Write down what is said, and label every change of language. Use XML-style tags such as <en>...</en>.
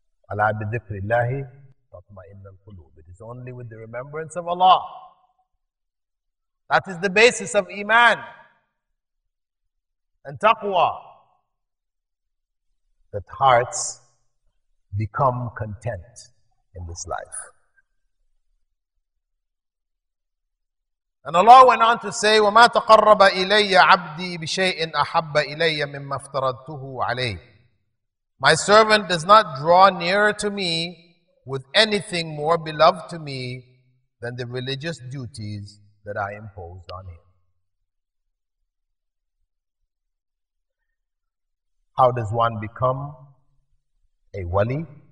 <ar>Ala bi dhikrillahi tatma'innul qulub.</ar> <en>It is only with the remembrance of Allah. That is the basis of Iman and taqwa, that hearts become content in this life. And Allah went on to say,</en> <ar>وَمَا تَقَرَّبَ إِلَيَّ عَبْدِي بِشَيْءٍ أَحَبَّ إِلَيَّ مِمَّا افْتَرَدْتُهُ عَلَيْهِ.</ar> <en>My servant does not draw nearer to me with anything more beloved to me than the religious duties that I imposed on him. How does one become a wali?</en>